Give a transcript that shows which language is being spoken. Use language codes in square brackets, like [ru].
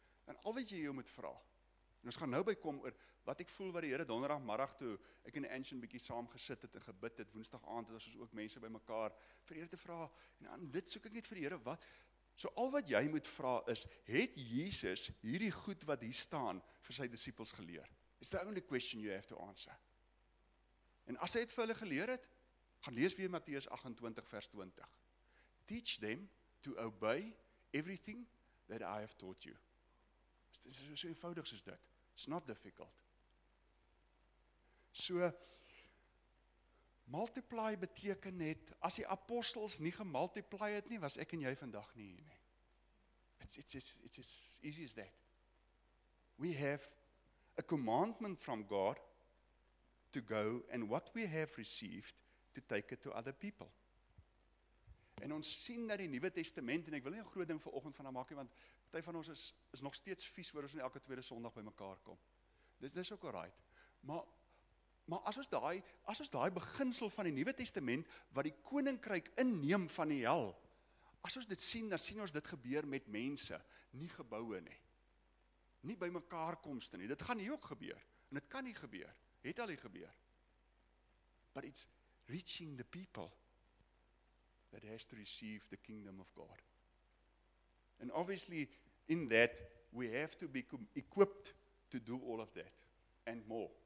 [af] En al wat jy jou moet vra, en ons gaan nou by kom oor wat ek voel wat die Here donderdag middag toe, ek en Ancient bietjie saam gesit het en gebid het, woensdag aand het ons ook mense by mekaar, vir die Here te vra, en aan dit soek ek net vir die Here, wat, so al wat jy moet vra is, het Jesus hierdie goed wat hier staan vir sy disippels geleer? [en] It's the only question you have to answer. [af] En as hy het vir hulle geleer het, gaan lees weer Matteus 28 vers 20. [en] Teach them to obey everything that I have taught you. [af] Dit is so eenvoudig soos dit. [en] It's not difficult. [af] So, multiply beteken net, as die apostels nie gemultiply het nie, was ek en jy vandag nie hier nie. [en] It's as easy as that. We have a commandment from God to go and what we have received to take it to other people. [af] En ons sien dat die Nuwe Testament, en ek wil nie 'n groot ding vanoggend van hom maak nie, want baie van ons is nog steeds vies oor ons in elke tweede Sondag by mekaar kom. Dis ook alright. Maar as ons daai beginsel van die Nuwe Testament wat die koninkryk inneem van die hel, as ons dit sien, dan sien ons dit gebeur met mense, nie geboue nie. Nie by mekaar komste nie. Dit gaan nie ook gebeur en dit kan nie gebeur. Het al nie gebeur. [en] But it's reaching the people that has to receive the kingdom of God. And obviously, in that, we have to be equipped to do all of that, and more.